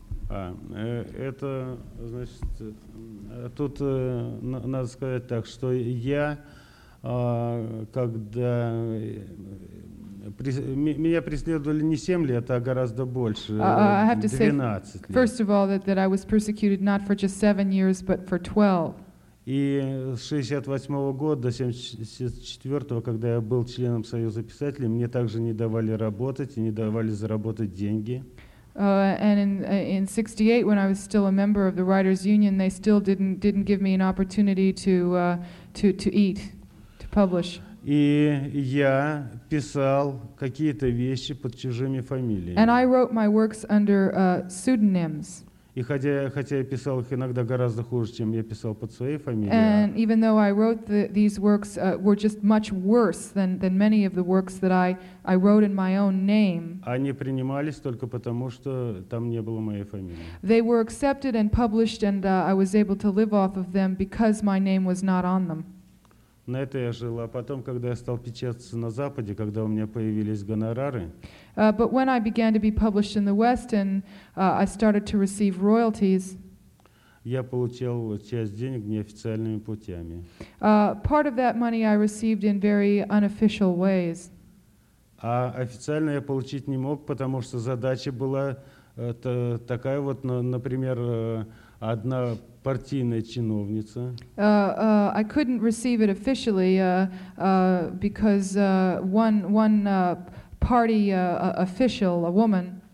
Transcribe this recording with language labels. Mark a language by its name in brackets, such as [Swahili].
[Russian] Это значит, тут надо сказать так, что я, когда меня преследовали не 7 лет, а гораздо больше, 12 лет. [English] First of all, that I was persecuted not for just 7 years, but for 12. [Russian] И с 68 года до 74, когда я был членом Союза писателей, мне также не давали работать и не давали заработать деньги. [English] And in 68, when I was still a member of the Writers Union, they still didn't give me an opportunity to eat, to publish. [Russian] И я писал какие-то вещи под чужими фамилиями. [English] And I wrote my works under pseudonyms. [Russian] И хотя я писал их иногда гораздо хуже, чем я писал под своей фамилией. [English] And even though I wrote these works were just much worse than many of the works that I wrote in my own name. [Russian] Они принимались только потому, что там не было моей фамилии. [English] They were accepted and published, and I was able to live off of them because my name was not on them. [Russian] На это я жил. А потом, когда я стал печататься на Западе, когда у меня появились гонорары. [English] But when I began to be published in the West and I started to receive royalties, [Russian] я получал часть денег неофициальными путями. [English] Part of that money I received in very unofficial ways. [Russian] А официально я получить не мог, потому что задача была такая вот, например, одна партийная чиновница. [English] I couldn't receive it officially because one party official, a woman,